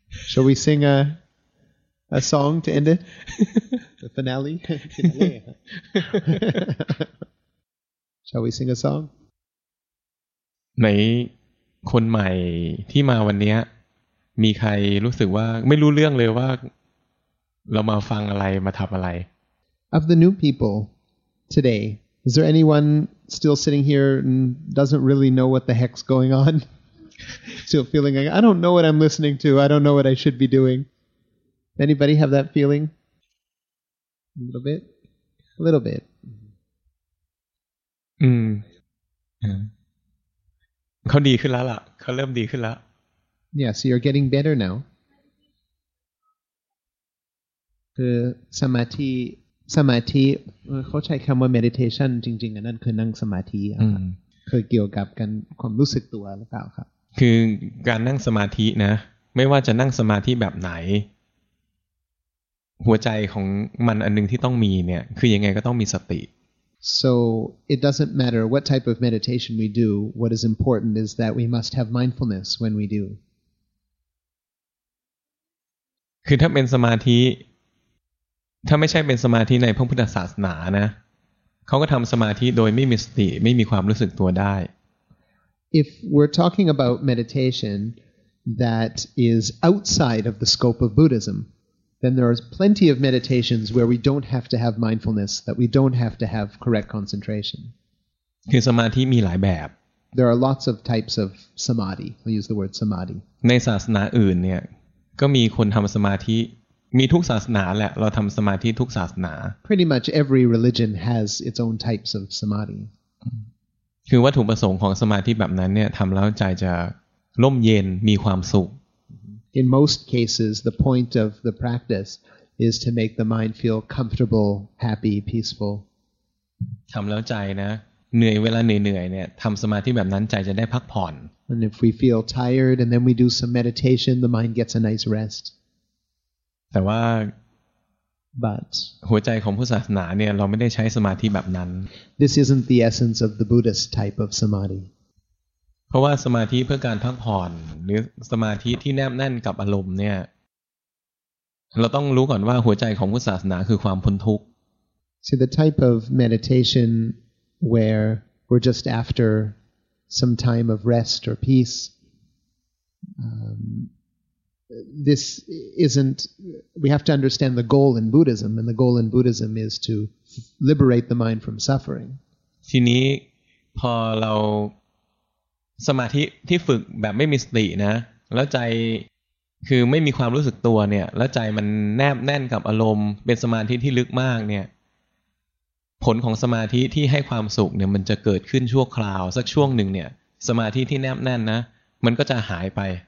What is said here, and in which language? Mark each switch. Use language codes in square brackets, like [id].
[en] Shall we sing a song to end it the finale Shall we sing a song [th] ในคนใหม่ที่มาวันนี้มีใครรู้สึกว่าไม่รู้เรื่องเลยว่าเรามาฟังอะไรมาทำอะไร [en] Of the new peopleToday, is there anyone still sitting here and doesn't really know what the heck's going on? Still feeling like, I don't know what I'm listening to. I don't know what I should be doing. Anybody have that feeling? A little bit? A little bit. [th] เขาดีขึ้นแล้วล่ะ เขาเริ่มดีขึ้นแล้ว [en] Yeah, so you're getting better now. [th] สมาธิสมาธิเขาใช้คำว่า meditation จริงๆอันนั้นคือนั่งสมาธิครับคือเกี่ยวกับการความรู้สึกตัวหรือเปล่าครับ คือการนั่งสมาธินะไม่ว่าจะนั่งสมาธิแบบไหนหัวใจของมันอันนึงที่ต้องมีเนี่ยคือยังไงก็ต้องมีสติ [en] so it doesn't matter what type of meditation we do what is important is that we must have mindfulness when we do [th] คือถ้าเป็นสมาธิถ้าไม่ใช่เป็นสมาธิในพระพุทธศาสนานะเขาก็ทำสมาธิโดยไม่มีสติไม่มีความรู้สึกตัวได้ [en] If we're talking about meditation that is outside of the scope of Buddhism then there are plenty of meditations where we don't have to have mindfulness that we don't have to have correct concentration [th] คือสมาธิมีหลายแบบ [en] There are lots of types of samadhi I'll use the word samadhi [th] ในศาสนาอื่นเนี่ยก็มีคนทำสมาธิมีทุกศาสนาแหละเราทำสมาธิทุกศาสนา [en] Pretty much every religion has its own types of samadhi [th] คือวัตถุประสงค์ของสมาธิแบบนั้นเนี่ยทำแล้วใจจะร่มเย็นมีความสุข [en] In most cases the point of the practice is to make the mind feel comfortable happy peaceful [th] ทำแล้วใจนะเหนื่อยเวลาเหนื่อยๆเนี่ยทำสมาธิแบบนั้นใจจะได้พักผ่อน [en] And if we feel tired and then we do some meditation the mind gets a nice rest [th] แต่ว่า [en] but [th] หัวใจของพุทธศาสนาเนี่ยเราไม่ได้ใช้สมาธิแบบนั้น [en] This isn't the essence of the Buddhist type of samadhi [th] เพราะว่าสมาธิเพื่อการพักผ่อนหรือสมาธิที่แนบแน่นกับอารมณ์เนี่ย เราต้องรู้ก่อนว่าหัวใจของพุทธศาสนาคือความพ้นทุกข์ [en] See the type of meditation where we're just after some time of rest or peace this isn't we have to understand the goal in Buddhism and the goal in Buddhism is to liberate the mind from suffering [th] ทีนี้พอเราสมาธิที่ฝึกแบบไม่มีสตินะแล้วใจคือไม่มีความรู้สึกตัวเนี่ยแล้วใจมันแนบแน่นกับอารมณ์เป็นสมาธิที่ลึกมากเนี่ยผลของสมาธิที่ให้ความสุขเนี่ยมันจะเกิดขึ้นชั่วคราวสักช่วงหนึ่งเนี่ยสมาธิที่แนบแน่นนะมันก็จะหายไป